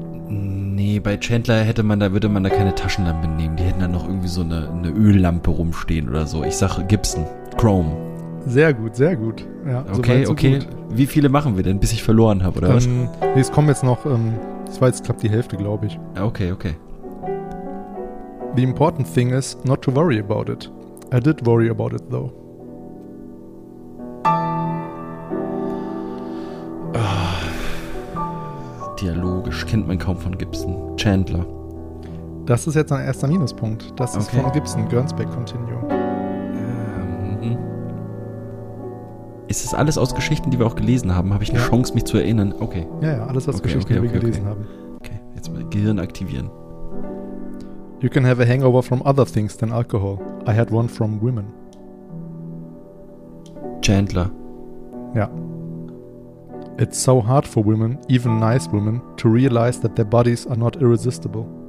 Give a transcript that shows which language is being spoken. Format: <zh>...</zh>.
<de>Nee, bei Chandler würde man da keine Taschenlampe nehmen. Die hätten da noch irgendwie so eine Öllampe rumstehen oder so. Ich sage Gibson, Chrome. Sehr gut, sehr gut. Ja, okay, so okay. Gut. Wie viele machen wir denn, bis ich verloren habe, oder was? Nee, es kommen jetzt noch, ich weiß, es klappt die Hälfte, glaube ich. Okay, okay.</de> <en>The important thing is not to worry about it. I did worry about it, though.</en> <de>Dialogisch, kennt man kaum von Gibson. Chandler. Das ist jetzt ein erster Minuspunkt. Das ist von Gibson, Gernsback Continuum. Ist das alles aus Geschichten, die wir auch gelesen haben? Habe ich eine Chance, mich zu erinnern? Okay. Ja, ja, alles aus Geschichten, die wir gelesen haben. Okay, jetzt mal Gehirn aktivieren.</de> <en>You can have a hangover from other things than alcohol. I had one from women.</en> <de>Chandler. Ja.</de> <en>It's so hard for women, even nice women, to realize that their bodies are not irresistible.</en>